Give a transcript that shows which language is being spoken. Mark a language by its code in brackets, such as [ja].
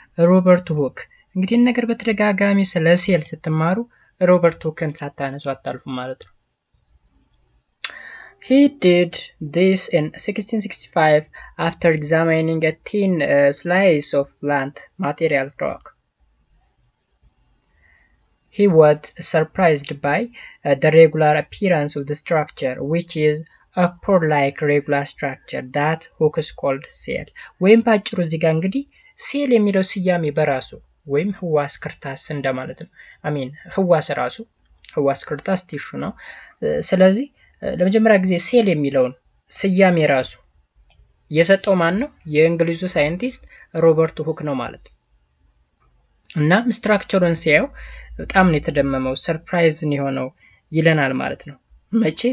[am] ሮበርት ሁክ። እንግዲህ ነገር በተደጋጋሚ ስለ ሴል ስትማሩ ሮበርት ሁክን ሳታነሱ አታልፉ ማለት ነው። [en] He did this in 1665 after examining a thin slice of plant material rock. He was surprised by the regular appearance of the structure, which is a pore-like regular structure that Hooke called cell. [am] ወይም ባጭሩ እዚህ ጋር እንግዲህ ሴል የሚለው ስያሜ በራሱ ወይም ህዋስ ክርታስ እንደማለት ነው። አሚን ህዋስ ራሱ ህዋስ ክርታስ ቲሹ ነው። ስለዚህ ለመጀመሪያ ጊዜ ሴል የሚለውን ስያሜ ራሱ የሰጠው ማን ነው? የእንግሊዙ ሳይንቲስት ሮበርት ሁክ ነው ማለት ነው። እናም ስትራክቸሩን ሲያየው በጣም ነው የተደመመው፣ ሰርፕራይዝን የሆነው ይለናል ማለት ነው። መቼ?